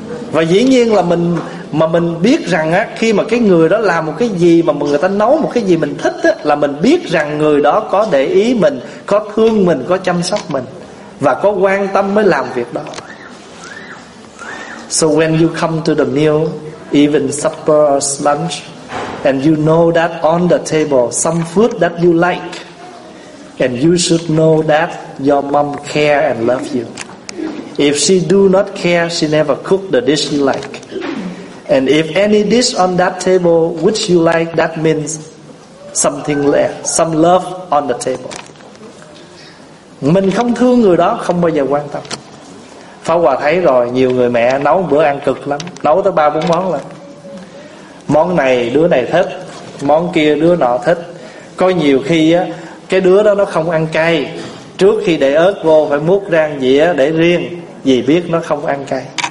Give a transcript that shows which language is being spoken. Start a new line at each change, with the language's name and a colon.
Vietnamese: Và dĩ nhiên là mình, mà mình biết rằng á, khi mà cái người đó làm một cái gì mà người ta nấu một cái gì mình thích á, là mình biết rằng người đó có để ý mình, có thương mình, có chăm sóc mình và có quan tâm mới làm việc đó.
English: So when you come to the meal, even supper or lunch, and you know that on the table some food that you like, and you should know that your mom care and love you. If she do not care, she never cook the dish you like. And if any dish on that table which you like, that means something left, some love on the table.
Vietnamese: Mình không thương người đó không bao giờ quan tâm. Pháp Hòa thấy rồi, nhiều người mẹ nấu bữa ăn cực lắm, nấu tới 3-4 món lận. Món này đứa này thích, món kia đứa nọ thích. Có nhiều khi á, cái đứa đó nó không ăn cay, trước khi để ớt vô phải múc ra dĩa để riêng vì biết nó không ăn cay.